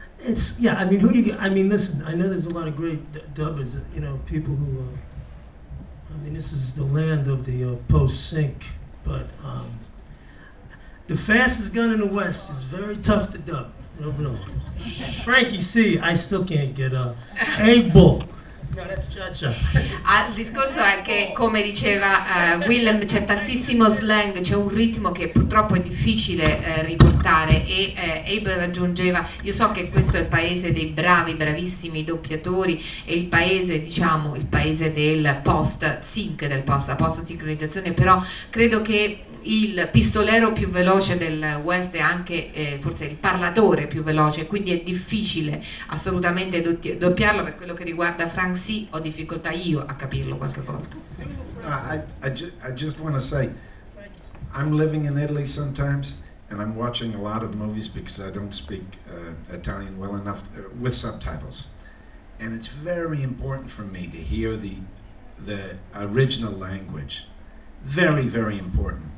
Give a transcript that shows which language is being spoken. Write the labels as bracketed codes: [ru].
[en] It's, yeah, I mean, listen, I know there's a lot of great dubbers, you know, people who, I mean, this is the land of the post-sync, but the fastest gun in the West is very tough to dub. No. Frankie C, I still can't get a cable. [it] Il discorso è che, come diceva Willem, c'è tantissimo slang, c'è un ritmo che purtroppo è difficile riportare, e Abel aggiungeva: io so che questo è il paese dei bravi, bravissimi doppiatori, e il paese, diciamo, il paese del post-sync, del post, la post-sincronizzazione, però credo che il pistolero più veloce del West è anche forse il parlatore più veloce, quindi è difficile assolutamente doppiarlo. Per quello che riguarda Frank C, ho difficoltà io a capirlo qualche volta. [en] I just want to say, I'm living in Italy sometimes and I'm watching a lot of movies because I don't speak Italian well enough with subtitles, and it's very important for me to hear the original language, very very important.